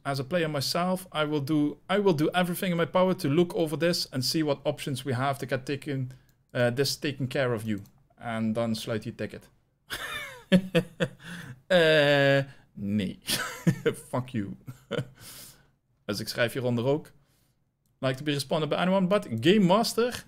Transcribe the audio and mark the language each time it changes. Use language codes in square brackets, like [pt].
[en] As a player myself, I will do everything in my power to look over this and see what options we have to get taken this taken care of you. [nl] En dan sluit hij het ticket. nee. [en] Fuck you. [nl] Dus ik schrijf hieronder ook. [en] Like to be responded by anyone but Game Master.